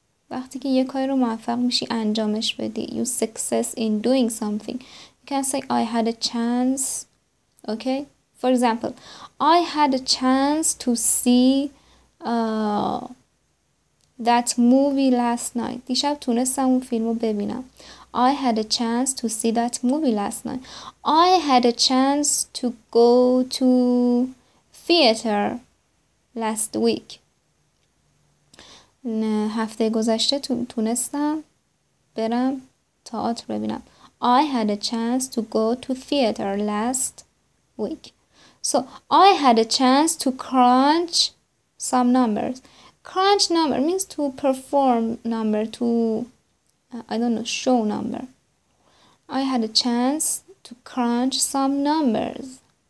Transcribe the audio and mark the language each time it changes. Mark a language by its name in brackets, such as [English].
[Persian] وقتی که یک کاری رو موفق میشی انجامش بدی. [English] You success in doing something. You can say, I had a chance. Okay? For example, I had a chance to see that movie last night. [Persian] دیشب تونستم اون فیلم رو ببینم. [English] I had a chance to see that movie last night. I had a chance to go to theater. Last week. [Persian] نه هفته گذشته تونستم برم تئاتر ببینم. [English] I had a chance to go to theater last week. So I had a chance to crunch some numbers. Crunch number means to perform number, to show number. I had a chance to crunch some numbers.